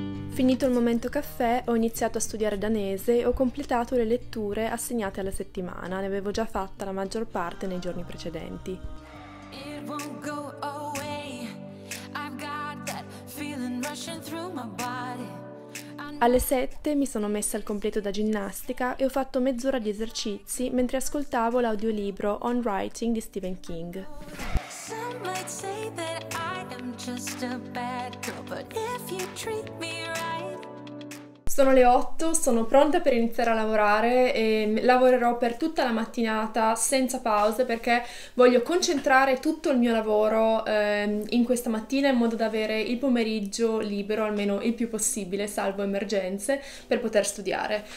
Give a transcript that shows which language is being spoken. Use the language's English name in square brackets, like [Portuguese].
[Italian] Finito il momento caffè, ho iniziato a studiare danese e ho completato le letture assegnate alla settimana. Ne avevo già fatta la maggior parte nei giorni precedenti. [English] It won't go away. I've got that feeling rushing through my body. [Italian] Alle 7 mi sono messa al completo da ginnastica e ho fatto mezz'ora di esercizi mentre ascoltavo l'audiolibro On Writing di Stephen King. [English] Some might say that I am just a bad girl, but if you treat me right. [Italian] Sono le 8, sono pronta per iniziare a lavorare e lavorerò per tutta la mattinata senza pause perché voglio concentrare tutto il mio lavoro in questa mattina in modo da avere il pomeriggio libero, almeno il più possibile, salvo emergenze, per poter studiare.